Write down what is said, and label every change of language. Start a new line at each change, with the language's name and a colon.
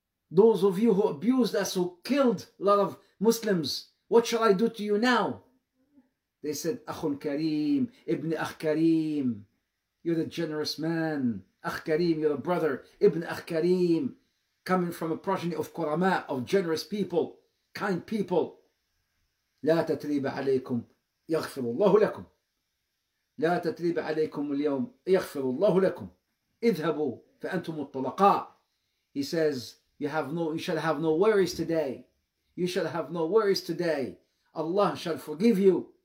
English: Those of you who abused us, who killed a lot of Muslims, what shall I do to you now? They said, Akhun Kareem, Ibn Akh Kareem, you're the generous man. Akh Kareem, you're a brother. Ibn Akh Kareem, coming from a progeny of Qurama, of generous people, kind people.
Arabic: لا تتريب عليكم يغفر الله لكم. لا تتريب عليكم اليوم يغفر الله لكم. اذهبوا فأنتم الطلقاء.
English: He says, You shall have no worries today. You shall have no worries today. Allah shall forgive you.